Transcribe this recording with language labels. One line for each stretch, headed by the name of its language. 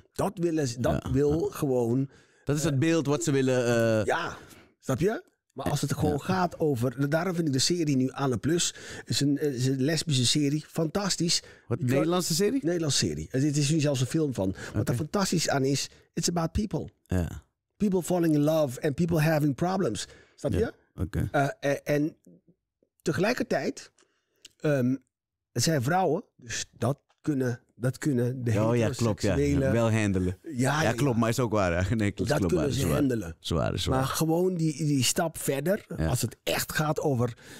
Dutch: Dat willen ze gewoon... Dat is het beeld wat ze willen... Ja, snap je? Maar als het gewoon gaat over... Daarom vind ik de serie nu Anne Plus. Is een lesbische serie. Fantastisch. Wat, Nederlandse serie? Nederlandse serie. Het is nu zelfs een film van. Okay. Wat er fantastisch aan is,
English: it's about people.
Dutch: Ja.
English: People falling in love and people having problems.
Dutch: Snap je? Oké. En tegelijkertijd, het zijn vrouwen, dus dat kunnen de heteroseksuele... Ja, wel handelen. Ja, klopt, maar is ook waar. Nee, klopt, dat klopt, kunnen ze handelen. Zwaar. Maar gewoon die stap verder, als het echt gaat over...